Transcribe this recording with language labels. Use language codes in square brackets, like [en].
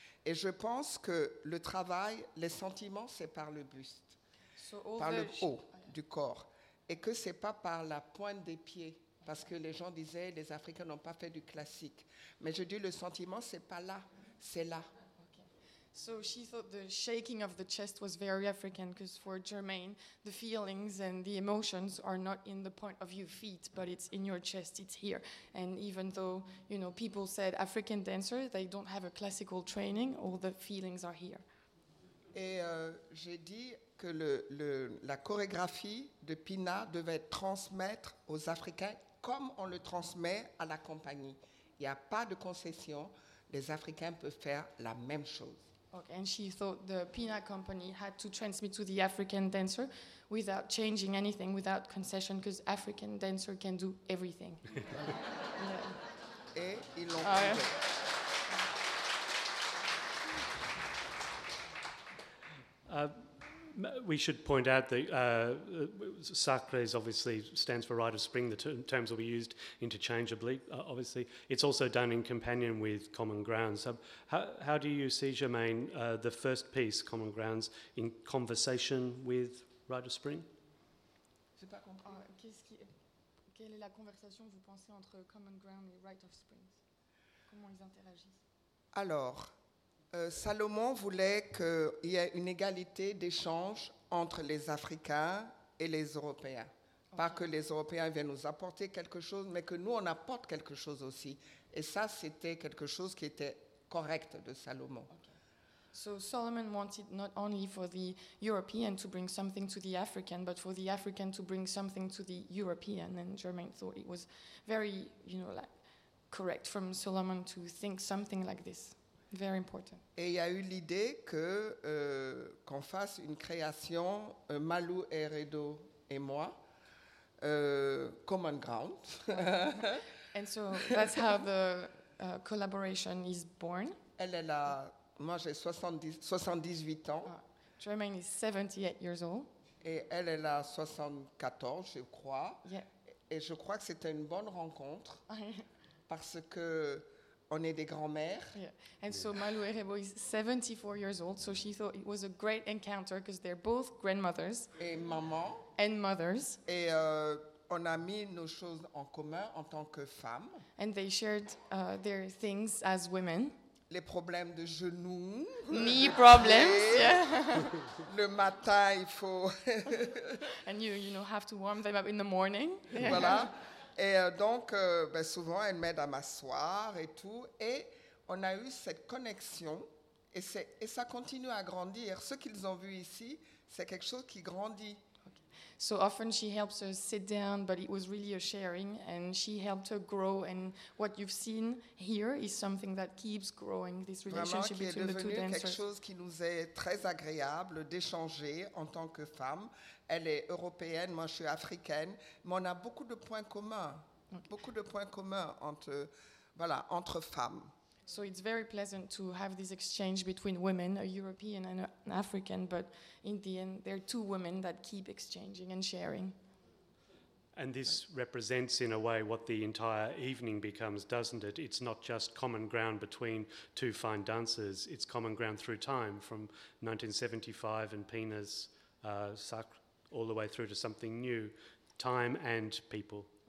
[fr] Et je pense que le travail, les sentiments, c'est par le buste, par le haut du corps, et que c'est pas par la pointe des pieds. Parce que les gens disaient, les Africains n'ont pas fait du classique. Mais je dis, le sentiment, c'est pas là, c'est là. [en] Okay. So she thought the shaking of the chest was very African, because for Germaine, the feelings and the emotions are not in the point of your feet, but it's in your chest, it's here. And even though, you know, people said African dancers, they don't have a classical training, all the feelings are here. [fr] Et j'ai dit que la chorégraphie de Pina devait transmettre aux Africains comme on le transmet à la compagnie. Il n'y a pas de concession, les Africains peuvent faire la même chose. [en] Okay, and she thought the Pina company had to transmit to the African dancer without changing anything, without concession, because African dancer can do everything. [fr] Et ils l'ont fait. [en] We should point out that SACRE is obviously stands for Rite of Spring. The terms will be used interchangeably, obviously. It's also done in companion with Common Grounds. How do you see, Germaine, the first piece, Common Grounds, in conversation with Rite of Spring? [fr] Je n'ai pas compris. Quelle est la conversation, vous pensez, entre Common Ground et Rite of Spring? Comment ils interagissent? Alors, Salomon voulait qu'il y ait une égalité d'échange entre les Africains et les Européens. [en] Okay. [fr] Pas que les Européens viennent nous apporter quelque chose, mais que nous, on apporte quelque chose aussi. Et ça, c'était quelque chose qui était correct de Salomon. [en] Okay. So Solomon wanted not only for the European to bring something to the African, but for the African to bring something to the European. And Germaine thought it was very, you know, like, correct from Solomon to think something like this. Very important. [fr] Et il y a eu l'idée que qu'on fasse une création Malou Eredo et moi Common Ground. [en] And so that's how the collaboration is born. [fr] Elle est là. Moi j'ai 78 ans. [en] Germaine is 78 years old. [fr] Et elle est là 74 je crois. [en] Yeah. [fr] Et je crois que c'était une bonne rencontre parce que on est des grands-mères. [en] Yeah. And so Malou Erebo is 74 years old, so she thought it was a great encounter because they're both grandmothers. [fr] Et maman. [en] And mothers. [fr] Et on a mis nos choses en commun en tant que femmes. [en] And they shared their things as women. [fr] Les problèmes de genoux. [en] Knee problems. Yeah. [fr] Le matin, il faut. [en] And you know, have to warm them up in the morning. [fr] Voilà. Et donc, ben souvent, elle m'aide à m'asseoir et tout. Et on a eu cette connexion. Et, c'est, et ça continue à grandir. Ce qu'ils ont vu ici, c'est quelque chose qui grandit. [en] Okay. So often she helps her sit down, but it was really a sharing. And she helped her grow. And what you've seen here is something that keeps growing, this relationship [fr] vraiment, [en] between the two dancers. [fr] Quelque chose qui nous est très agréable d'échanger en tant que femmes. Elle est européenne, moi je suis africaine, mais on a beaucoup de points communs, beaucoup de points communs entre, voilà, entre femmes. [en] So it's very pleasant to have this exchange between women, a European and an African, but in the end, there are two women that keep exchanging and sharing. And this represents, in a way, what the entire evening becomes, doesn't it? It's not just common ground between two fine dancers, it's common ground through time, from 1975 and Pina's Sacre, all the way through to something new, time and people.